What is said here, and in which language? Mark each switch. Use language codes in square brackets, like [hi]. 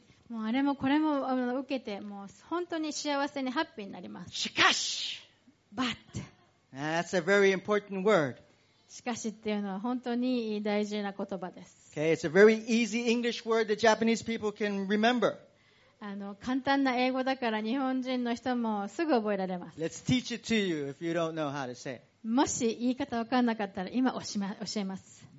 [ja] もうあれもこれも受けて、もう本当に幸せにハッピーになります。しかし、 [en] but that's a very important word。 [ja] しかしっていうのは本当に大事な言葉です。 [en] Okay, it's a very easy English word that Japanese people can remember。 [ja] 簡単な英語だから日本人の人もすぐ覚えられます。 [en] Let's teach it to you if you don't know how to say it. もし言い方分からなかったら今教えます。